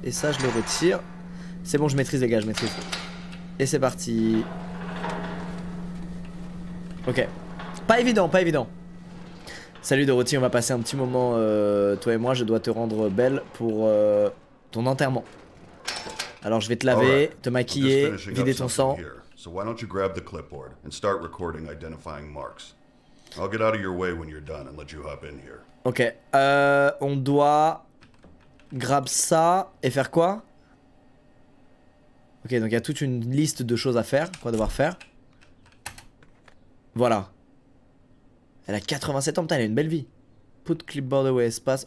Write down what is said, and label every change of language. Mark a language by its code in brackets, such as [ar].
[fr] Et ça, je le retire. C'est bon, je maîtrise, les gars. Et c'est parti. Ok. Pas évident. Salut Dorothy, on va passer un petit moment. Toi et moi, je dois te rendre belle pour ton enterrement. Alors, je vais te laver, te maquiller, vider ton sang. [en] So why don't you grab the clipboard and start recording identifying marks? I'll get out of your way when you're done and let you hop in here. [fr] Ok, on doit grab ça et faire quoi? Ok, donc il y a toute une liste de choses à faire, quoi devoir faire. Voilà. Elle a 87 ans, putain, elle a une belle vie. [en] Put clipboard away, [fr] espace.